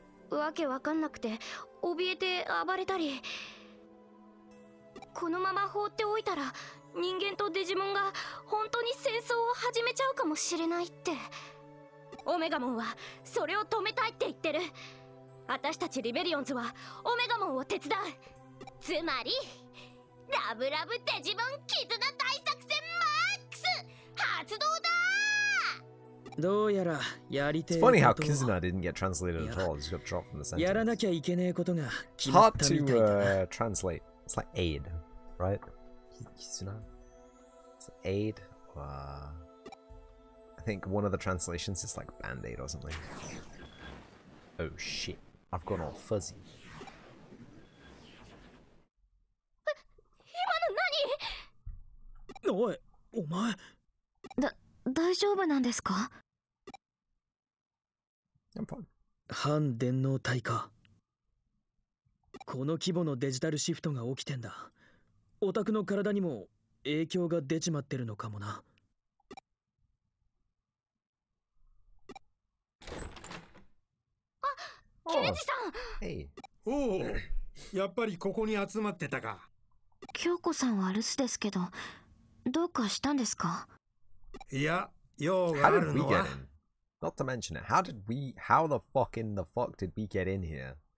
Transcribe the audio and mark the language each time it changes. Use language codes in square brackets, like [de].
[ja] わけわかんなくて怯えて暴れたり。このまま放っておいたら人間とデジモンが本当に戦争を始めちゃうかもしれないって。オメガモンはそれを止めたいって言ってる。私たちリベリオンズはオメガモンを手伝う。つまりラブラブデジモン絆大作戦マックス発動だ。どうやらやりてえことは、 [en] It's funny how Kizuna didn't get translated at all. Just got dropped from the sentence. [ja] やらなきゃいけねえことが決まったみたいだな。 [en] Hard to translate. It's like aid, right? Kizuna. It's like aid. I think one of the translations is like band-aid or something. Oh shit. I've gone all fuzzy. [ja] 今の何？おい、お前。大丈夫なんですか？反電脳体か。この規模のデジタルシフトが起きてんだ。オタクの体にも影響が出ちまってるのかもな。あ、刑事さん。おお、やっぱりここに集まってたか。京子さんは留守ですけど、どうかしたんですか？いや、用があるのは。 [en] Not to mention it, how the fuck in the fuck did we get in here?